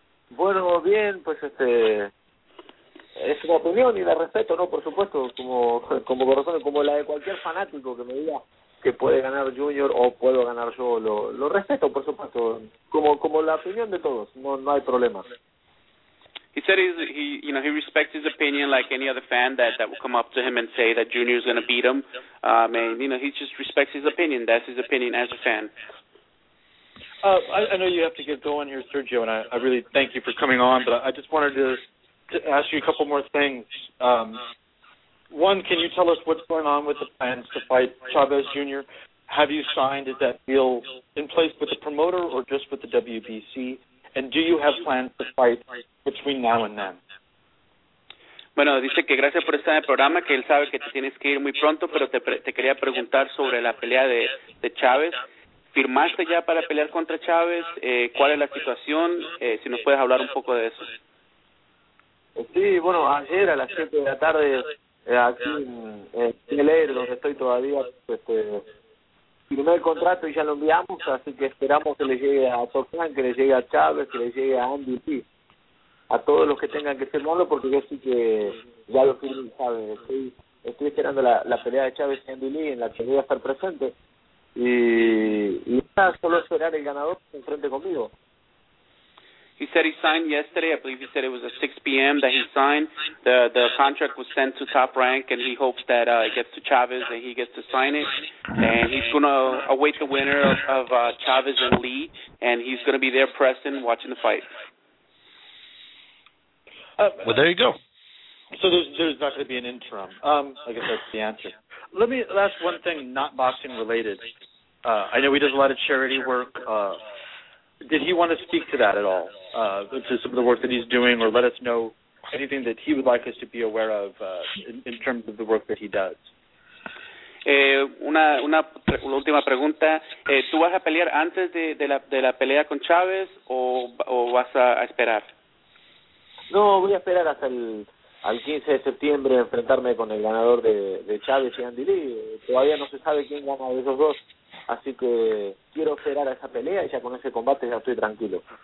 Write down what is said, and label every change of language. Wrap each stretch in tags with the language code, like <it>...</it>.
<es>Bueno, bien, pues es una opinión y la respeto, ¿no? Por supuesto, como corazón, como la de cualquier fanático que me diga que puede ganar Junior o puedo ganar yo, lo respeto, por supuesto, como la opinión de todos, no hay problema.</es> <en>He said he respects his opinion like any other fan that will come up to him and say that Junior is going to beat him. And, you know, he just respects his opinion. That's his opinion as a fan. I know you have to get going here, Sergio, and I really thank you for coming on, but I just wanted to ask you a couple more things. One, can you tell us what's going on with the plans to fight Chavez Jr.? Have you signed? Is that deal in place with the promoter or just with the WBC? And do you have plans to fight between now and then?</en> <es>Bueno, dice que gracias por estar en el programa, que él sabe que te tienes que ir muy pronto, pero te quería preguntar sobre la pelea de Chávez. ¿Firmaste ya para pelear contra Chávez? ¿Cuál es la situación? Si nos puedes hablar un poco de eso. Sí, bueno, ayer a las 7 de la tarde, aquí en el aire, donde estoy todavía, firmé el contrato y ya lo enviamos, así que esperamos que le llegue a Tocán, que le llegue a Chávez, que le llegue a Andy, sí, a todos los que tengan que firmarlo, porque yo sí que ya lo firmé, ¿sabes? Estoy esperando la pelea de Chávez y Andy Lee, en la que voy a estar presente, y nada, solo esperar el ganador enfrente conmigo.</es> <en>He said he signed yesterday, I believe he said it was at 6 p.m. that he signed. The contract was sent to Top Rank, and he hopes that it gets to Chávez and he gets to sign it. And he's going to await the winner of Chávez and Lee, and he's going to be there pressing, watching the fight. Well, there you go. So there's not going to be an interim. I guess that's the answer. Let me ask one thing not boxing related. I know he does a lot of charity work. Did he want to speak to that at all, to some of the work that he's doing, or let us know anything that he would like us to be aware of in terms of the work that he does?</en> <es>Una última pregunta. ¿Tú vas a pelear antes de la pelea con Chávez o vas a esperar? No, voy a esperar hasta al 15 de septiembre a enfrentarme con el ganador de Chávez y Andy Lee. Todavía no se sabe quién gana de esos dos. Así que quiero esperar a esa pelea y ya con ese combate ya estoy tranquilo.</es>